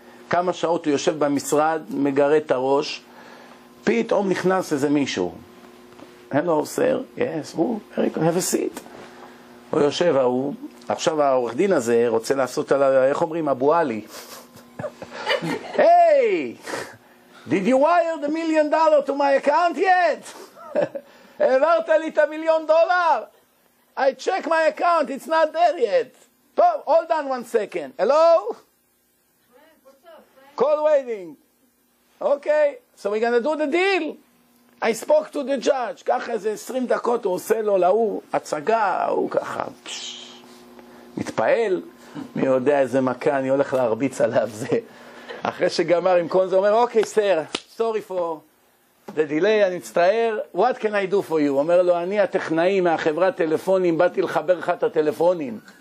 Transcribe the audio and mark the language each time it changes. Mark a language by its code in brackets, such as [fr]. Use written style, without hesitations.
[he] כמה שעות הוא יושב במשרד, מגרה את הראש, פתאום נכנס איזה מישהו. [en] Hello, sir. Yes, ooh, Eric, have a seat. [he] הוא יושב, ההוא. עכשיו העורך דין הזה רוצה לעשות על ה... איך אומרים? אבו עלי. [en] Hey! Did you wire the million dollar to my account yet? [he] העברת לי את המיליון דולר? [en] I check my account, it's not there yet. [he] טוב, [en] hold on one second. Hello? Call waiting. Okay, so we're gonna do the deal. I spoke to the judge. [he] ככה איזה 20 דקות הוא עושה לו להוא הצגה, הוא ככה מתפעל. מי יודע איזה מכה, אני הולך להרביץ עליו זה. אחרי שגמר עם קונזו, אומר, [en] okay, sir, sorry for... The delay, [he] אני מצטער, [en] what can I do for you? [he] אומר לו, אני הטכנאי מהחברה טלפונים, באתי לחבר לך את הטלפונים.